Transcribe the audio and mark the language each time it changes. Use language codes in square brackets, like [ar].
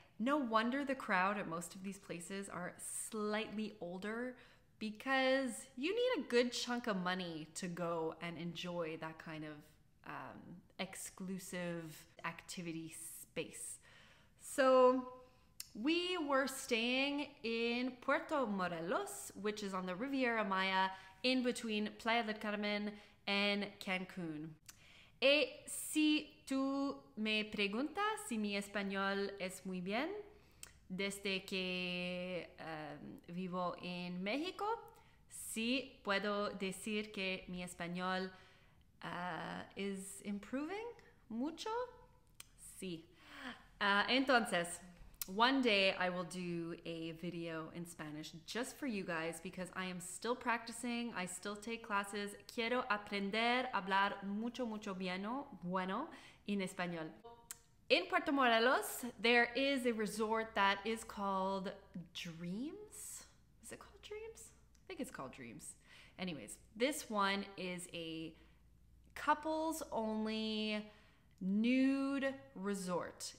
[en] No wonder the crowd at most of these places are slightly older because you need a good chunk of money to go and enjoy that kind of exclusive activity space. So, we were staying in Puerto Morelos, which is on the Riviera Maya in between Playa del Carmen and Cancun. [es] Et si tú me preguntas si mi español es muy bien desde que vivo en México, sí puedo decir que mi español [en] is improving [es] mucho. Sí. [en] Entonces, one day I will do a video in Spanish just for you guys because I am still practicing. I still take classes. [es] Quiero aprender a hablar mucho, mucho bueno en español. [en] In Puerto Morelos, there is a resort that is called Dreams. Is it called Dreams? I think it's called Dreams. Anyways, this one is a couples only nude resort.